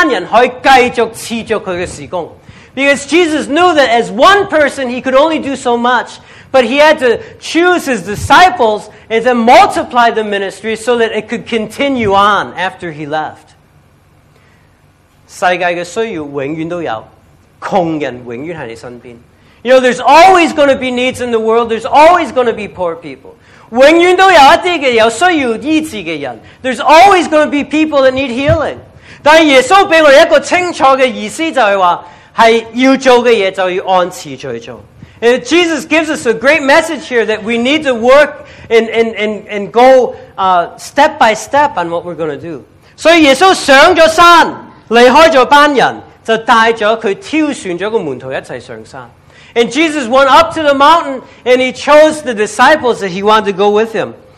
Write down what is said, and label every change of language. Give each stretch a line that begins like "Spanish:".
Chinese: 因为耶稣发现到，他知道一个事实，耶稣一个就只可以服侍某班人，但是他一定要挑选一班人去继续持续他的事工。
English: Because Jesus knew that as one person, he could only do so much, but he had to choose his disciples and then multiply the ministry so that it could continue on after he left.
Chinese: 世界的需要永远都有。穷人永远在你身边。
English: You know, there's always going to be needs in the world. There's always going to be poor people.
Chinese: 永远都有一些需要医治的人。
English: There's always going to be people that need healing.
Chinese: 但耶稣给我们一个清楚的意思，就是说，是要做的事就要按次序做。
English: And Jesus gives us a great message here that we need to work and go step by step on what we're going to do.
Chinese: 所以耶稣上了山，离开了班人。就带着他挑选了门徒一起上山。
English: And Jesus went up to the mountain and he chose the disciples that he wanted to go with him.